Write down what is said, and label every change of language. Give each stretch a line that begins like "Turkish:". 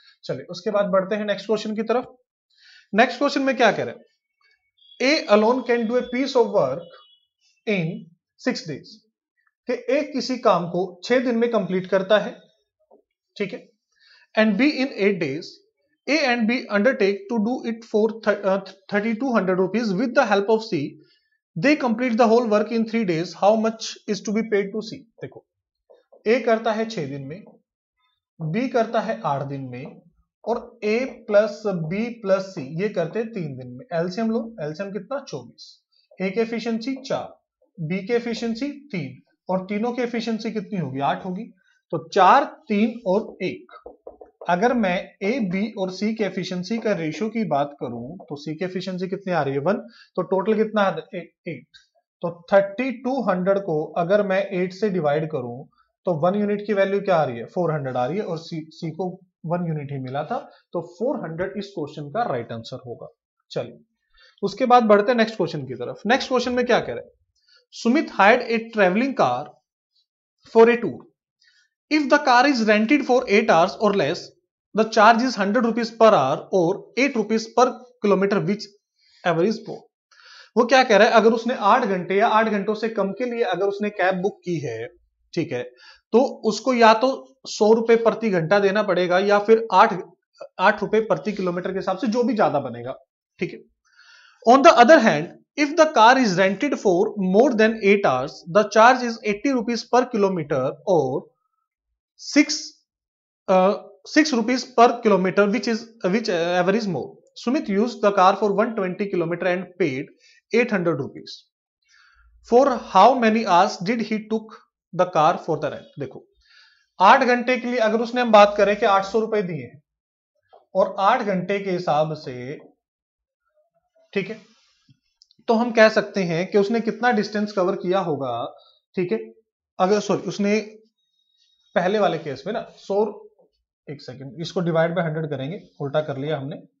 Hindi: चलिए उसके बाद बढ़ते हैं नेक्स्ट क्वेश्चन की तरफ। नेक्स्ट क्वेश्चन में क्या कह रहे हैं,
English: A alone can do a piece of work in 6 days,
Hindi: कि ए किसी काम को 6 दिन में कंप्लीट करता है, ठीक है,
English: And B in 8 days, A and B undertake to do it for 3200 rupees with the help of C. They complete the whole work in 3 days. How much is to be paid to C?
Hindi: देखो, A करता है 6 दिन में, B करता है 8 दिन में, और A plus B plus C ये करते हैं 3 दिन में। LCM लो, LCM कितना 24, A के efficiency 4, B के efficiency 3, और तीनों के efficiency कितनी होगी, 8 होगी, तो 4, 3 और 1। अगर मैं ए बी और सी के एफिशिएंसी का रेशियो की बात करूं तो सी के एफिशिएंसी कितनी आ रही है, 1, तो टोटल कितना है, 8। तो 3200 को अगर मैं 8 से डिवाइड करूं तो 1 यूनिट की वैल्यू क्या आ रही है, 400 आ रही है, और सी को 1 यूनिट ही मिला था, तो 400 इस क्वेश्चन का राइट आंसर होगा। चलिए उसके बाद बढ़ते नेक्स्ट क्वेश्चन की तरफ। नेक्स्ट क्वेश्चन में क्या कह रहे हैं,
English: Sumit hired a travelling car for a tour, If the car is rented for 8 hours or less, the charge is 100 rupees per hour or 8 rupees per kilometer, which ever is more.
Hindi: वो क्या कह रहा है, अगर उसने 8 घंटे या 8 घंटों से कम के लिए अगर उसने कैब बुक की है, ठीक है, तो उसको या तो 100 रुपए प्रति घंटा देना पड़ेगा या फिर 8 रुपए प्रति किलोमीटर के हिसाब से, जो भी ज्यादा बनेगा, ठीक है।
English: On the other hand, if the car is rented for more than 8 hours, the charge is 80 rupees per kilometer or 6 6 rupees per kilometer, which is more. Sumit used the car for 120 kilometer and paid 800 rupees. For how many hours did he took the car for the rent?
Hindi: देखो, 8 घंटे के लिए अगर उसने हम बात करें कि 800 रुपए दिए हैं और 8 घंटे के हिसाब से, ठीक है, तो हम कह सकते हैं कि उसने कितना डिस्टेंस कवर किया होगा, ठीक है, अगर सॉरी उसने पहले वाले केस में ना 100, इसको डिवाइड बाय 100 करेंगे, उल्टा कर लिया हमने,